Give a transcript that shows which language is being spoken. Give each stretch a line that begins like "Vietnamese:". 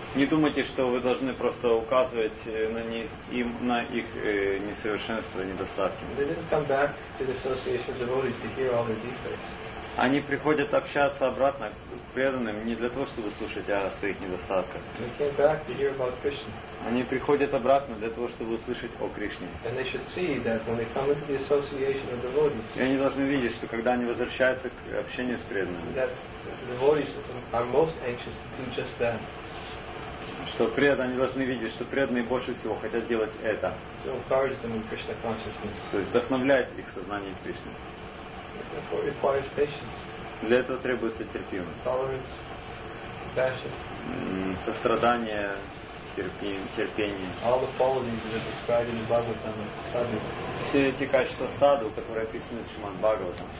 Russian: Не думайте, что вы должны просто указывать на их несовершенства, недостатки.
English: They didn't come back to the association of devotees to hear all their defects.
Russian: Они приходят общаться обратно к преданным не для того, чтобы слушать о своих недостатках.
English: They came back to hear about Krishna.
Russian: Они приходят обратно для того, чтобы услышать о Кришне.
English: And they should see that when they come into the association of devotees.
Russian: И они должны видеть, что когда они возвращаются к общению с преданными,
English: that the devotees are most anxious to do just that.
Russian: Что преданные должны видеть, что преданные больше всего хотят делать это.
English: To encourage them in Krishna consciousness.
Russian: То есть вдохновлять их сознание Кришны.
English: Therefore, it requires patience.
Russian: Для этого требуется терпимость.
English: Tolerance, compassion.
Russian: Сострадание, терпение.
English: All the qualities that are described in the Bhagavatam, sadhu.
Russian: Все эти качества саду, которые описаны в Шримад Бхагаватам.